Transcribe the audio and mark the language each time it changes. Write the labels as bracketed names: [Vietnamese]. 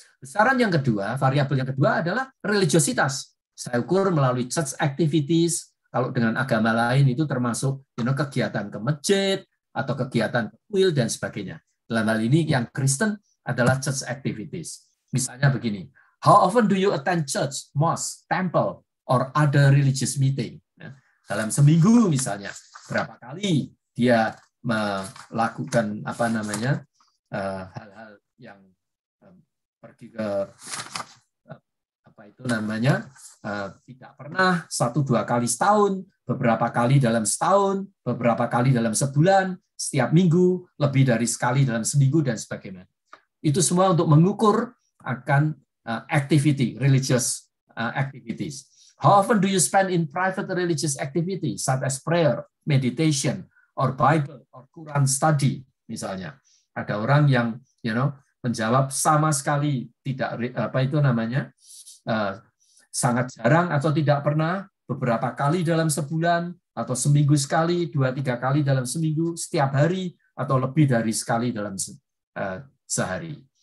[Indonesian] Besaran yang kedua, variabel yang kedua adalah religiositas. Saya ukur melalui church activities, kalau dengan agama lain itu termasuk kegiatan ke masjid atau kegiatan ke kuil dan sebagainya. Dalam hal ini yang Kristen adalah church activities. Misalnya begini, [English] how often do you attend church, mosque, temple, or other religious meeting? [Indonesian] Dalam seminggu misalnya, berapa kali dia melakukan apa namanya hal-hal yang pergi ke apa itu namanya tidak pernah 1-2 kali setahun, beberapa kali dalam setahun, beberapa kali dalam sebulan, setiap minggu, lebih dari sekali dalam seminggu dan sebagainya. Itu semua untuk mengukur akan activity, [English] religious activities. How often do you spend in private religious activity, such as prayer, meditation, or Bible, or Quran study, [Indonesian] misalnya. Ada orang yang menjawab sama sekali tidak apa itu namanya sangat jarang atau tidak pernah, beberapa kali dalam sebulan atau seminggu sekali, 2-3 kali dalam seminggu, setiap hari atau lebih dari sekali dalam sehari.